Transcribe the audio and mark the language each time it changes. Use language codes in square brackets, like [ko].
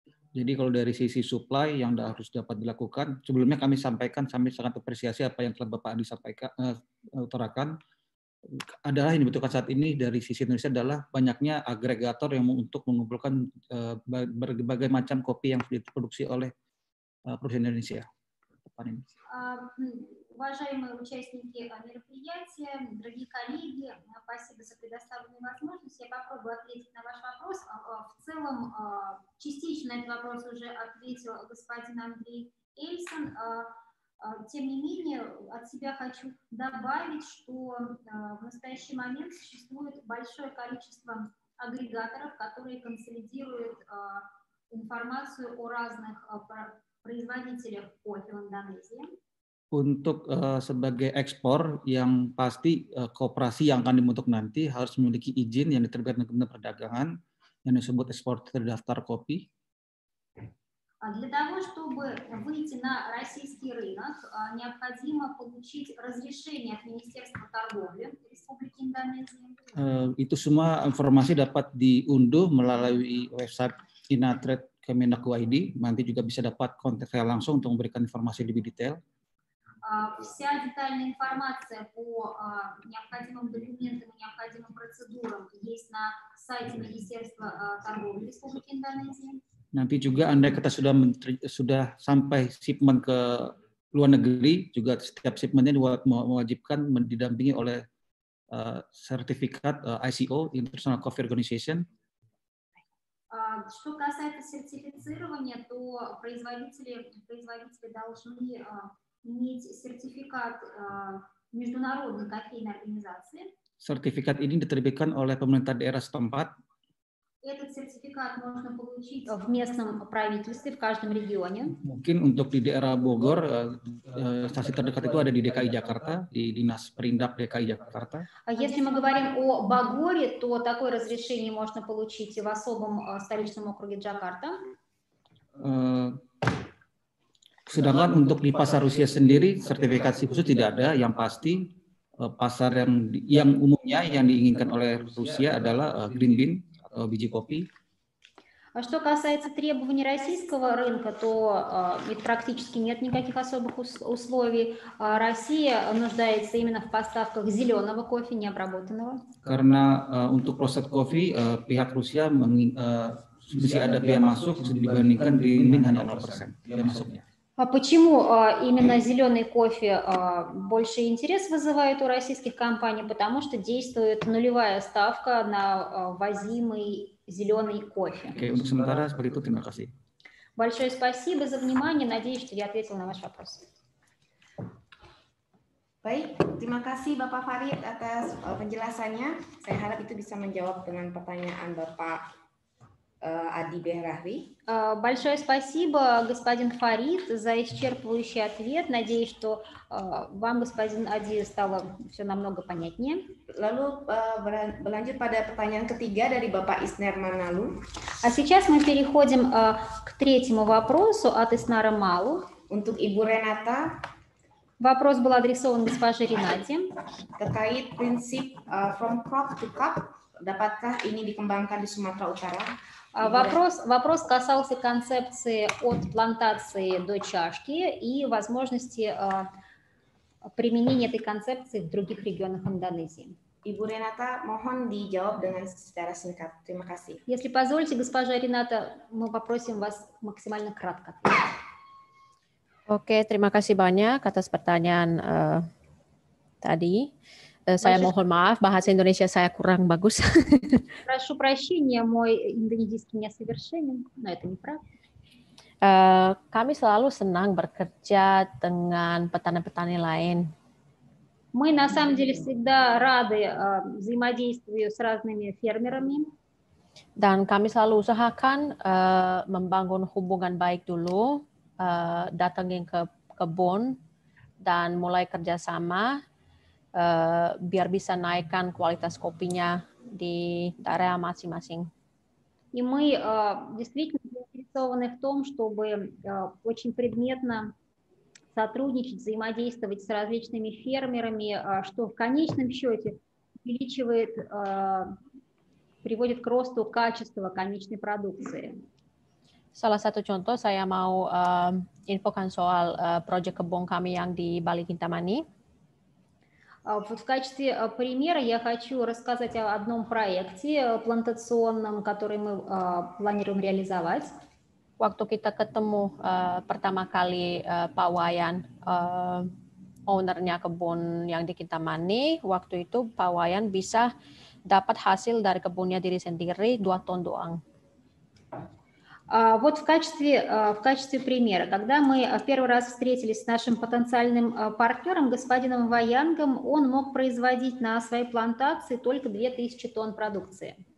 [id] Jadi kalau dari sisi supply yang harus dapat dilakukan, sebelumnya kami sampaikan, kami sangat apresiasi apa yang telah Bapak Adi sampaikan, utarakan, adalah yang dibutuhkan saat ini dari sisi Indonesia adalah banyaknya agregator yang untuk mengumpulkan berbagai macam kopi yang diproduksi oleh perusahaan Indonesia. Depan ini. [ru] Уважаемые участники мероприятия, дорогие коллеги, спасибо за предоставленную возможность. Я попробую ответить на ваш вопрос. В целом, частично этот вопрос уже ответил господин Андрей Эльсон. Тем не менее, от себя хочу добавить, что в настоящий момент существует большое количество агрегаторов, которые консолидируют информацию о разных производителях кофе в Индонезии. [id] Untuk sebagai ekspor yang pasti kooperasi yang akan dibentuk nanti harus memiliki izin yang diterbitkan oleh Kementerian Perdagangan yang disebut ekspor terdaftar kopi. [ru] Для того чтобы выйти на российский рынок, необходимо получить разрешение от Министерства торговли Республики Индонезия. [id] Itu semua informasi dapat diunduh melalui website Inatrade Kemenku ID. Nanti juga bisa dapat kontak saya langsung untuk memberikan informasi lebih detail. [ru] Вся детальная информация по необходимым документам и необходимым процедурам есть на сайте Министерства торговли Республики Индонезия. [id] Nanti juga Anda kata sudah sampai shipment ke luar negeri, juga setiap shipmentnya mewajibkan didampingi oleh sertifikat ICO, International Coffee Organization. [ru] Что касается сертифицирования, то производители должны иметь сертификат международной кофейной организации. [id] Сертификат ini diterbitkan oleh pemerintah daerah setempat. [ru] в местном правительстве в каждом регионе. [id] Mungkin untuk di daerah Bogor, stasi terdekat itu ada di DKI Jakarta, di Dinas Perindak DKI Jakarta. [ru] Если мы говорим о Богоре, то такое разрешение можно получить в особом столичном округе Джакарта. [id] Sedangkan untuk di pasar Rusia sendiri sertifikasi khusus tidak ada. Yang pasti pasar yang umumnya yang diinginkan oleh Rusia adalah green bean atau biji kopi. [ru] Что касается требований российского рынка, то практически нет никаких особых условий. Россия нуждается именно в поставках зеленого кофе, необработанного. [id] Karena untuk roasted coffee pihak Rusia masih ada biaya masuk dibandingkan green bean hanya 0% biaya masuknya. [ru] А почему именно зеленый кофе больше интерес вызывает у российских компаний? Потому что действует нулевая ставка на ввозимый зеленый кофе. Okay. Большое спасибо за внимание. Надеюсь, что я ответила на ваш вопрос. [id] Baik, terima kasih Bapak Farid atas penjelasannya. Saya harap itu bisa menjawab dengan pertanyaan Bapak Ади Бехрахви. [ru] Большое спасибо, господин Фарид, за исчерпывающий ответ. Надеюсь, что вам, господин Ади, стало все намного понятнее. [id] Lalu berlanjut pada pertanyaan ketiga dari Bapak Isner Manalu. [ru] А сейчас мы переходим к третьему вопросу от Иснара Малу. [id] Untuk Ibu Renata. [ru] Вопрос был адресован госпоже Ренате. [id] Terkait prinsip [en] from crop to cup, [id] dapatkah ini dikembangkan di Sumatera Utara? [ru] Вопрос касался концепции от плантации до чашки и возможности применения этой концепции в других регионах Индонезии. [id] Ibu Renata, mohon dijawab dengan secara singkat. Terima kasih. [ru] Если позволите, госпожа Рената, мы попросим вас максимально кратко. [id] Oke, terima kasih banyak atas pertanyaan tadi. Saya mohon maaf, bahasa Indonesia saya kurang bagus. [ru] Прошу прощения, мой индонезийский несовершенен, но это не правда. [id] Kami selalu senang bekerja dengan petani-petani lain. [ru] Мы на самом деле всегда рады взаимодействию с разными фермерами. [id] Dan kami selalu usahakan membangun hubungan baik dulu, datangin ke kebun dan mulai kerjasama. Biar bisa naikkan kualitas kopinya di daerah masing-masing. [ru] И мы действительно заинтересованы в том, чтобы очень предметно сотрудничать, взаимодействовать с различными фермерами, что в конечном счете увеличивает, приводит к росту качества конечной продукции. [id] Salah satu contoh saya mau infokan soal proyek kebun kami yang di Bali Kintamani. [ru] В качестве примера я хочу рассказать о одном проекте плантационном, который мы планируем реализовать. [id] Waktu kita ketemu pertama kali Pak Wayan, ownernya kebun yang di Kintamani, waktu itu Pak Wayan bisa dapat hasil dari kebunnya diri sendiri 2 ton doang. [ru] Вот в качестве примера, когда мы в первый раз встретились с нашим потенциальным партнером, господином Ваянгом, он мог производить на своей плантации только 2000 тонн продукции.